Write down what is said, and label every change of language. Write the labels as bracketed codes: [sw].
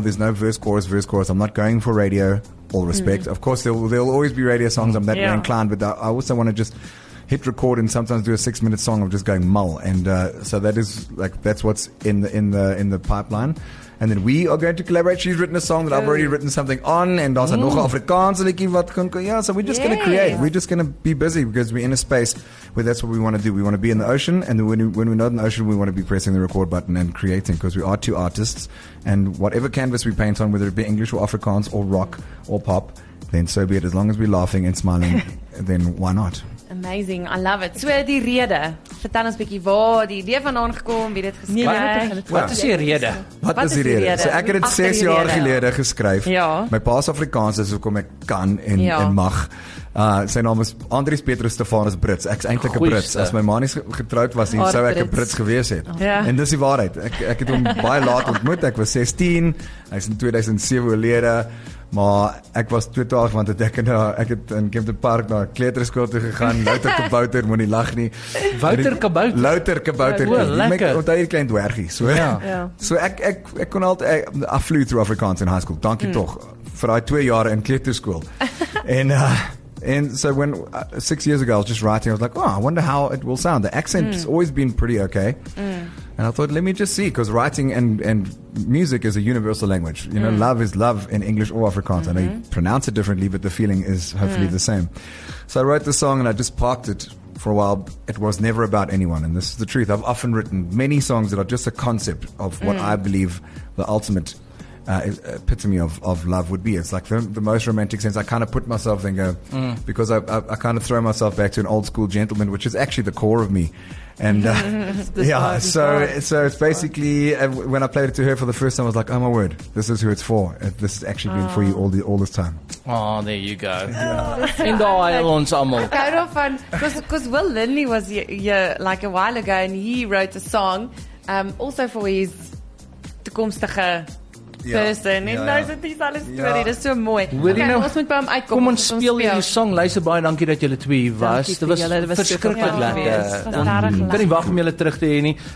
[en] There's no verse, chorus. I'm not going for radio. All respect. Of course, there'll always be radio songs. I'm that way inclined. But I also want to just hit record and sometimes do a 6-minute song of just going mull. And so that is like that's what's in the pipeline. And then we are going to collaborate. She's written a song that I've already written something on. [af] And daar's nog 'n Afrikaans liedjie wat kan kom. [en] Yeah, so we're just going to create. We're just going to be busy because we're in a space where that's what we want to do. We want to be in the ocean. And then when we're not in the ocean, we want to be pressing the record button and creating because we are two artists. And whatever canvas we paint on, whether it be English or Afrikaans or rock or pop, then so be it. As long as we're laughing and smiling, then why not? Amazing, I love it. [af] So die rede, vertel ons bietjie waar die idee vandaan gekom, wie dit geskryf het. Wat is die rede? So ek het dit 6 jaar gelede geskryf. Ja. My pa se Afrikaans is hoekom ek kan en mag. Sy naam is Andries Petrus Stefanus Brits. Ek is eintlik 'n Brits. As my ma nie getroud was nie, sou ek 'n Brits gewees het. Ja. En dis die waarheid. Ek het hom baie laat ontmoet. Ek was 16. Hy is in 2007 oorlede. Maar ek was totaal want ek het in Kempton Park na kleuterskool toe gegaan. Louter Kabouter, moenie lag nie. Louter Kabouter. Onthou hier klein dwergie. So ja. So ek kon altyd [en] I flew through Afrikaans in high school. [af] Dankie tog vir daai 2 jare in kleuterskool. [en] And so when 6 years ago I was just writing, I was like, "Oh, I wonder how it will sound. The accent's always been pretty okay." And I thought, let me just see, because writing and music is a universal language. You know, love is love in English or Afrikaans. Mm-hmm. And I pronounce it differently, but the feeling is hopefully the same. So I wrote the song and I just parked it for a while. It was never about anyone. And this is the truth. I've often written many songs that are just a concept of what I believe the ultimate epitome of love would be. It's like the most romantic sense. I kind of put myself and go, because I kind of throw myself back to an old school gentleman, which is actually the core of me. And it's basically when I played it to her for the first time, I was like, oh my word, this is who it's for. This has actually been for you all this time. Oh, there you go. In the aisle ensemble. Because Will Lindley was here like a while ago and he wrote a song also for his toekomstige person. Yeah. And [af] Kom ons speel jullie song. Luister baie, dankie dat jullie twee hier was. Dit was verskriklik lekker. Ek kan nie wag om jullie terug te hê nie.